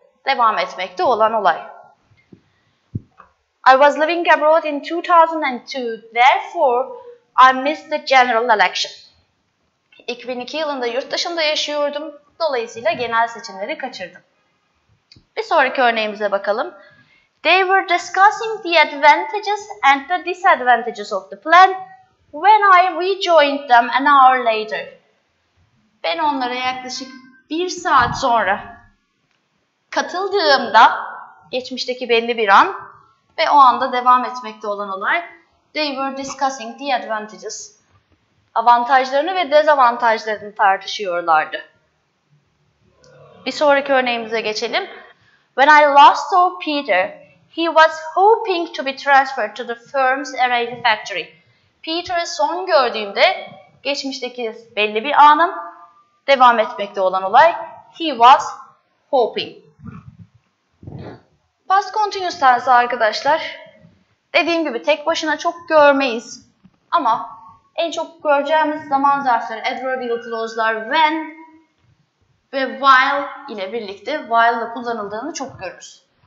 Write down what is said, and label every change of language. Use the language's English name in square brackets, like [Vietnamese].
[Turkish] Devam etmekte olan olay. [English] I was living abroad in 2002, therefore I missed the general election. [Turkish] 2002 yılında yurt dışında yaşıyordum, dolayısıyla genel seçimleri kaçırdım. Bir sonraki örneğimize bakalım. [English] They were discussing the advantages and the disadvantages of the plan when I rejoined them an hour later. [Turkish] Ben onlara yaklaşık bir saat sonra katıldığımda, geçmişteki belli bir an ve o anda devam etmekte olan olay, [English] they were discussing the advantages. [Turkish] Avantajlarını ve dezavantajlarını tartışıyorlardı. Bir sonraki örneğimize geçelim. [English] When I last saw Peter, he was hoping to be transferred to the firm's RAD factory. [Turkish] Peter'ı son gördüğümde, geçmişteki belli bir anım, devam etmekte olan olay, [English] he was hoping. [Turkish] Past continuous tense arkadaşlar, dediğim gibi tek başına çok görmeyiz ama en çok göreceğimiz zaman zarfları, adverbial clause'lar, when ve while ile birlikte while ile kullanıldığını çok görürüz.